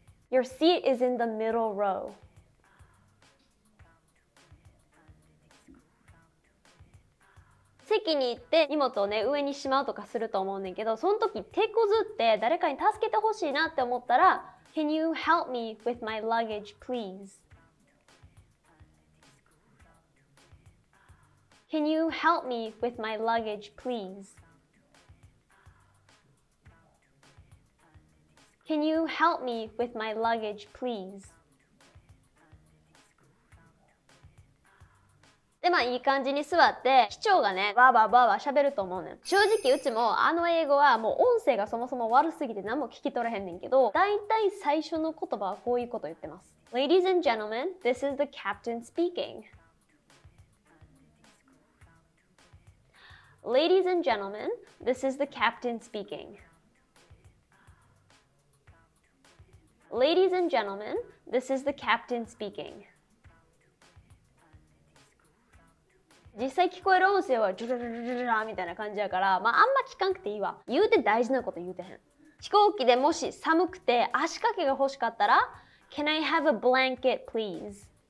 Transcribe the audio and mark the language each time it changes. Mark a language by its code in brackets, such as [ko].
[en] Your seat is in the middle row. [ja] 席に行って荷物をね上にしまうとかすると思うんだけど、その時手こずって誰かに助けてほしいなって思ったら、 [en] Can you help me with my luggage, please? Can you help me with my luggage, please? Can you help me with my luggage, please? [ja] で、まあいい感じに座って、機長がね、バーバーバーバー喋ると思うねん。正直うちもあの英語はもう音声がそもそも悪すぎて何も聞き取れへんねんけど、だいたい最初の言葉はこういうこと言ってます。 [en] Ladies and gentlemen, this is the captain speaking. Ladies and gentlemen, this is the captain speaking. Ladies and gentlemen, this is the captain speaking. [ja] 実際聞こえる音声はジュルルルルルルみたいな感じやから、まああんま聞かんくていいわ。言うて大事なこと言うてへん。飛行機でもし寒くて足掛けが欲しかったら、 [en] Can I have a blanket, please?